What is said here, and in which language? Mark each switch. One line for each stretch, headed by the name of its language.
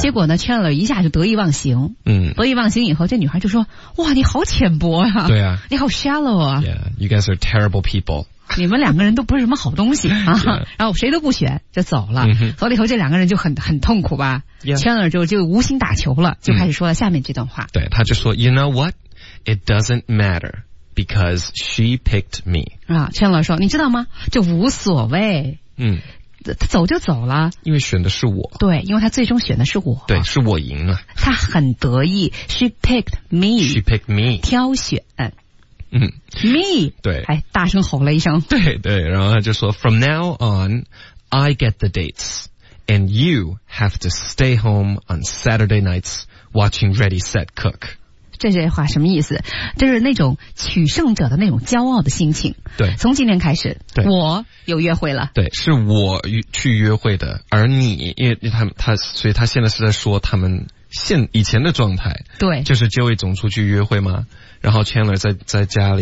Chinese: 结果呢 Chandler 一下就得意忘形，嗯，得意忘形以后这女孩就说哇你好浅薄啊，对啊，你好 shallow 啊
English: yeah, You guys are terrible people，
Chinese: 你们两个人都不是什么好东西啊、
English: yeah.
Chinese: 然后谁都不选就走了、 mm-hmm. 走了以后这两个人就很痛苦吧、
English: yeah.
Chinese: Chandler 就无心打球了，就开始说了下面这段话、嗯、对，他就说
English: You know whatIt doesn't matter because she picked me.
Chinese: 啊，圈老说，你知道吗？就无所谓。嗯，他走就走了。因为选的是我。对，因为他最终选的是我。对，是我赢了。他很得意。
English: She picked me. She picked me.
Chinese: 挑选。嗯。
English: Me.
Chinese: 对。哎，大声吼了一声。对对，然后他就说
English: ，From now on, I get the dates, and you have to stay home on Saturday nights watching Ready Set Cook.
Chinese: 这话什么意思？就是那种取胜者的那种骄傲的心情。对，从今天开始，对，我有约会了。对，是我去约会的，而你，因为他所以他现在是在说他们以前的状态。对，就是 Joey 总出去约会吗？然后 Chandler 在家里